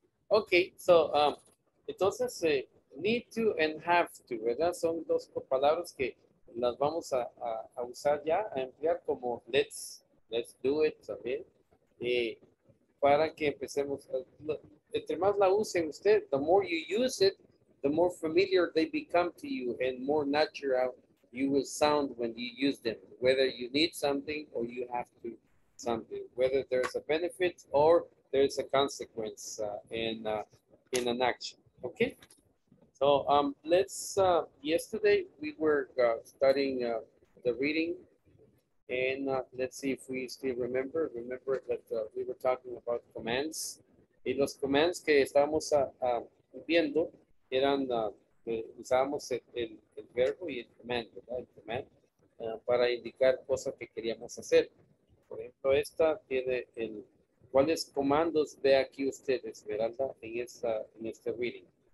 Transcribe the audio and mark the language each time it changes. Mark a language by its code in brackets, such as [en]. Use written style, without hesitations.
[en] Okay, so entonces need to and have to, ¿verdad? [es] Son dos palabras que las vamos a usar ya, a emplear como [en] let's do it, [es] ¿sabes? Para que empecemos, entre más la usen usted, [en] the more you use it, the more familiar they become to you and more natural you will sound when you use them, whether you need something or you have to something, whether there's a benefit or there is a consequence in an action, okay? So yesterday we were studying the reading, and let's see if we still remember that we were talking about commands. [es] Y los commands que estábamos viendo eran, usábamos el verbo y el command, ¿verdad? El command para indicar cosas que queríamos hacer. Por ejemplo, esta tiene el... ¿Cuáles comandos ve aquí ustedes, Veranda, en este reading?